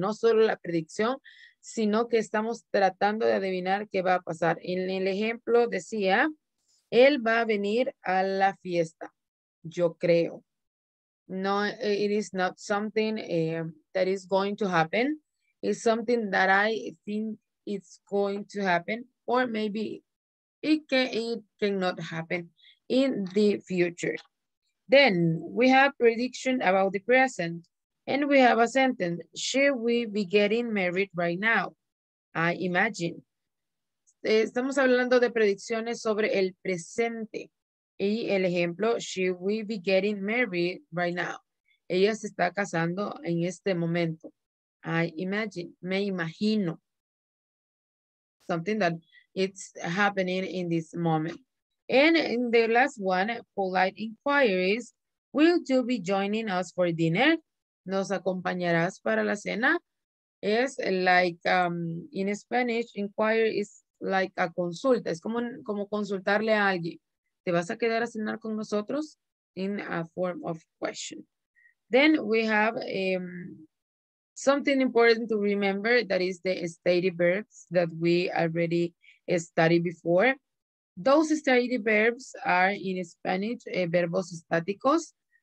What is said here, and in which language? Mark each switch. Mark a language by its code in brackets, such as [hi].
[es] No solo la predicción, sino que estamos tratando de adivinar qué va a pasar. En el ejemplo decía, él va a venir a la fiesta, yo creo. [en] No, it is not something that is going to happen. It's something that I think it's going to happen, or maybe it cannot happen in the future. Then we have prediction about the present, and we have a sentence. She will be getting married right now, I imagine. [es] Estamos hablando de predicciones sobre el presente. Y el ejemplo, [en] she will be getting married right now. [es] Ella se está casando en este momento. [en] I imagine, [es] me imagino. [en] Something that it's happening in this moment. And in the last one, polite inquiries, will you be joining us for dinner? [es] ¿Nos acompañarás para la cena? Es [en] like, in Spanish, inquiry is like a consulta. [es] Es como consultarle a alguien. ¿Te vas a quedar a cenar con nosotros? [en] In a form of question. Then we have something important to remember, that is the stated verbs that we already studied before. Those stated verbs are in Spanish, [es] verbos estáticos.